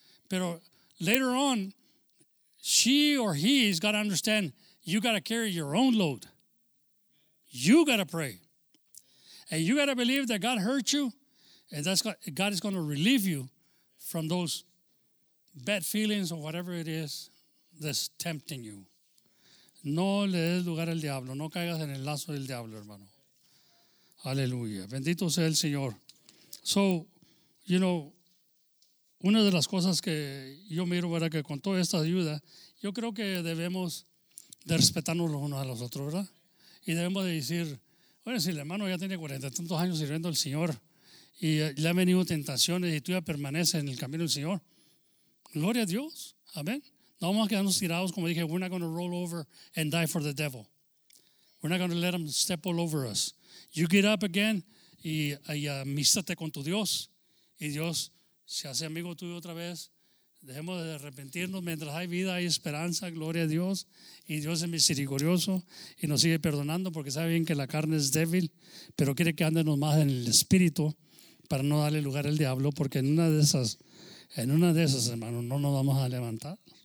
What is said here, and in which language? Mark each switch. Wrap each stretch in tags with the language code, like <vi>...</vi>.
<en>Pero later on, she or he's got to understand, you got to carry your own load. You got to pray. And you got to believe that God hurt you, and that's God is going to relieve you from those bad feelings or whatever it is that's tempting you.</en> <es>No le des lugar al diablo. No caigas en el lazo del diablo, hermano. Aleluya, bendito sea el Señor.</es> <en>So, you know,</en> <es>una de las cosas que yo miro, ¿verdad?, que con toda esta ayuda, yo creo que debemos de respetarnos los unos a los otros, ¿verdad? Y debemos de decir, bueno, si el hermano ya tiene 40 y tantos años sirviendo al Señor y le han venido tentaciones y tú ya permaneces en el camino del Señor, Gloria a Dios. Amén. No vamos a quedarnos tirados, como dije.</es> <en>We're not going to roll over and die for the devil. We're not going to let him step all over us. You get up again</en> <es>y amístate con tu Dios. Y Dios se hace amigo tuyo otra vez. Dejemos de arrepentirnos. Mientras hay vida, hay esperanza. Gloria a Dios. Y Dios es misericordioso y nos sigue perdonando porque sabe bien que la carne es débil, pero quiere que andemos más en el espíritu para no darle lugar al diablo, porque en una de esas, hermano, no nos vamos a levantar.</es>